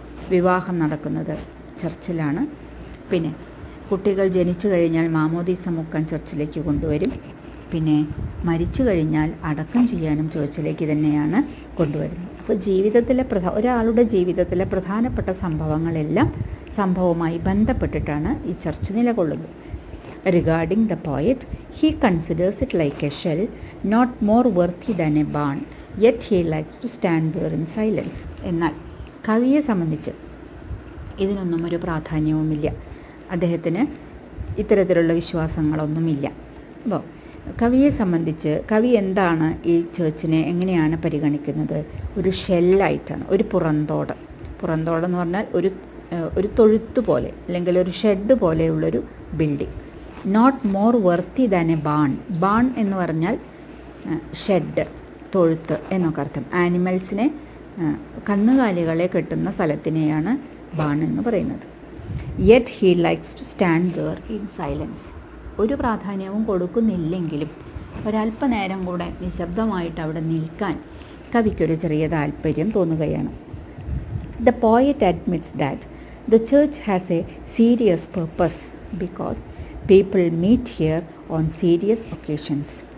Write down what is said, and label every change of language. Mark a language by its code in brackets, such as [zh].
[ml] വിവാഹം നടക്കുന്നത് ചർച്ചിലാണ്. പിന്നെ കുട്ടികൾ ജനിച്ചു കഴിഞ്ഞാൽ മാമോദീസ മുക്കാൻ ചർച്ചിലേക്ക് കൊണ്ടുവരും. പിന്നെ മരിച്ചു കഴിഞ്ഞാൽ അടക്കം ചെയ്യാനും ചർച്ചിലേക്ക് തന്നെയാണ് കൊണ്ടുവരുന്നത്. അപ്പോൾ ജീവിതത്തിലെ ഒരാളുടെ ജീവിതത്തിലെ പ്രധാനപ്പെട്ട സംഭവങ്ങളെല്ലാം സംഭവവുമായി ബന്ധപ്പെട്ടിട്ടാണ് ഈ ചർച്ച് നിലകൊള്ളുന്നത്. [en] Regarding the poet, he considers it like a shell, not more worthy than a barn, yet he likes to stand there in silence. [ml] എന്നാൽ കവിയെ സംബന്ധിച്ച് ഇതിനൊന്നും ഒരു പ്രാധാന്യവുമില്ല, അദ്ദേഹത്തിന് ഇത്തരത്തിലുള്ള വിശ്വാസങ്ങളൊന്നുമില്ല. അപ്പോൾ കവിയെ സംബന്ധിച്ച് കവി എന്താണ് ഈ ചേർച്ചിനെ എങ്ങനെയാണ് പരിഗണിക്കുന്നത്? ഒരു ഷെല്ലായിട്ടാണ്, ഒരു പുറന്തോട്. പുറന്തോട് എന്ന് പറഞ്ഞാൽ ഒരു തൊഴുത്ത് പോലെ, അല്ലെങ്കിൽ ഒരു shed പോലെയുള്ളൊരു building. [en] Not more worthy than a barn. Barn [ml] എന്ന് പറഞ്ഞാൽ ഷെഡ്, തൊഴുത്ത് എന്നൊക്കെ അർത്ഥം. ആനിമൽസിനെ, കന്നുകാലികളെ കെട്ടുന്ന സ്ഥലത്തിനെയാണ് ബാൺ എന്ന് പറയുന്നത്. [en] Yet he likes to stand there in silence. [ml] ഒരു പ്രാധാന്യവും കൊടുക്കുന്നില്ലെങ്കിലും ഒരല്പനേരം കൂടെ നിശബ്ദമായിട്ട് അവിടെ നിൽക്കാൻ കവിക്കൊരു ചെറിയ താല്പര്യം തോന്നുകയാണ്. [en] The poet admits that the church has a serious purpose because People meet here on serious occasions.